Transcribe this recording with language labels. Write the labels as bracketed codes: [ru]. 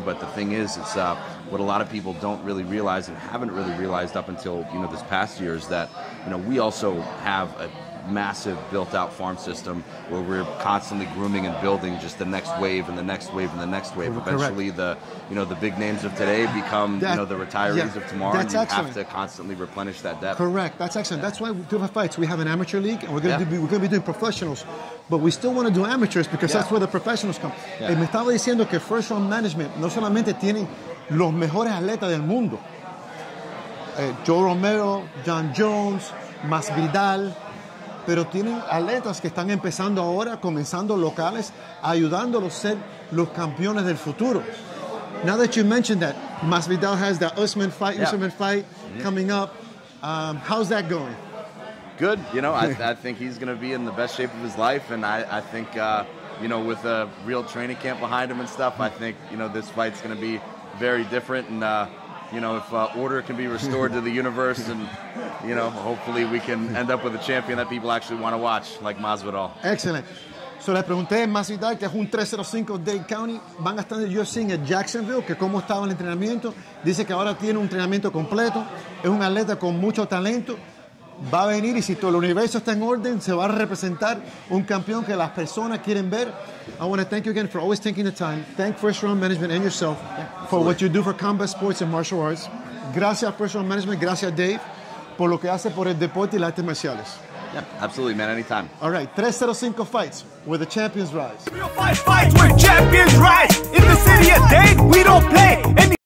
[en] But the thing is, it's what a lot of people don't really realize and haven't really realized up until, you know, this past year is that, you know, we also have a massive built-out farm system where we're constantly grooming and building just the next wave and the next wave and the next wave. Eventually, correct, the big names of today become that, you know, the retirees, yeah, of tomorrow. That's, and you excellent. Have to constantly replenish that depth. Correct. That's excellent. Yeah. That's why we do our fights. We have an amateur league, and we're going to be doing professionals, but we still want to do amateurs because, yeah, that's where the professionals come. Yeah. [es] Y me estaba diciendo que First Round Management no solamente tiene los mejores atletas del mundo. Joe Romero, John Jones, Masvidal. Pero tienen atletas que están empezando ahora, comenzando locales, ayudándolos a ser los campeones del futuro. [en] Now that you mentioned that, Masvidal has the Usman fight, yeah, Usman fight, mm-hmm, coming up. How's that going? Good. You know, I think he's going to be in the best shape of his life. And I think, you know, with a real training camp behind him and stuff, I think, you know, this fight's going to be very different. And, you know, if order can be restored to the universe, and, you know, hopefully we can end up with a champion that people actually want to watch, like Masvidal. Excellent. So, [es] le pregunté a Masvidal, que es un 305 Dade County. Van a estar en UFC en Jacksonville, que cómo estaba el entrenamiento. Dice que ahora tiene un entrenamiento completo. Es un atleta con mucho talento. Va a venir, y si todo el universo está en orden, se va a representar un campeón que las personas quieren ver. [en] I want to thank you again for always taking the time. Thank First Round Management and yourself for what you do for combat sports and martial arts. [es] Gracias, First Round Management. Gracias, Dave, por lo que hace por el deporte y las artes marciales. [en] Yeah, absolutely, man. Anytime. All right. 305 Fights, where the champions rise. Real fight fights, where champions rise. In the city of Dade, we don't play any.